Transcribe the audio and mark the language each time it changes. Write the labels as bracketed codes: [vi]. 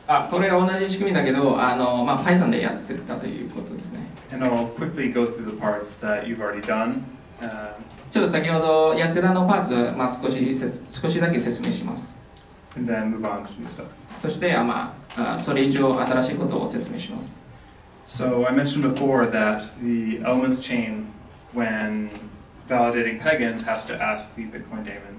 [ja] これは同じ仕組みだけど、まあ、Python でやってたということですね。 [en] And I'll quickly go through the parts that you've already done. [ja] ちょっと先ほどやってたのパーツ、まあ、少しだけ説明します。 [en] And then move on to new stuff. [ja] そして、まあ、それ以上新しいことを説明します。 [en] So I mentioned before that the elements chain when validating Pagans has to ask the Bitcoin daemon.